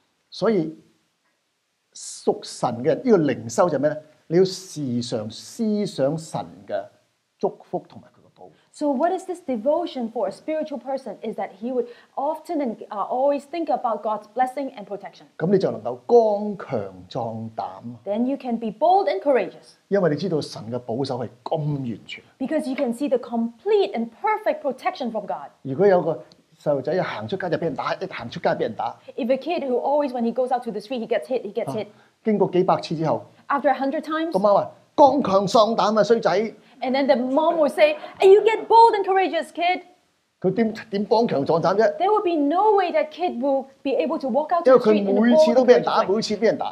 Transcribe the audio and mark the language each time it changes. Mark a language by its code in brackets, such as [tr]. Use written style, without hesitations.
[yue] 所以屬神嘅呢個靈修就咩咧？你要時常思想神嘅祝福同埋佢嘅保護。 [en] So what is this devotion for a spiritual person? Is that he would often and always think about God's blessing and protection. [yue] 咁你就能夠剛強壯膽。 [en] Then you can be bold and courageous. [yue] 因為你知道神嘅保守係咁完全。 [en] Because you can see the complete and perfect protection from God. [yue] 如果有個細路仔一行出街就俾人打，一行出街就俾人打。 [en] If a kid who always when he goes out to the street he gets hit, he gets hit. [yue] 經過幾百次之後。 [en] After 100 times, [yue] 個媽話剛強壯膽啊，衰仔。 [en] And then the mom would say, "You get bold and courageous, kid." [yue] 佢點剛強壯膽啫 [en] ？There would be no way that kid will be able to walk out. [yue] 因為佢每次都俾人打，每次俾人打。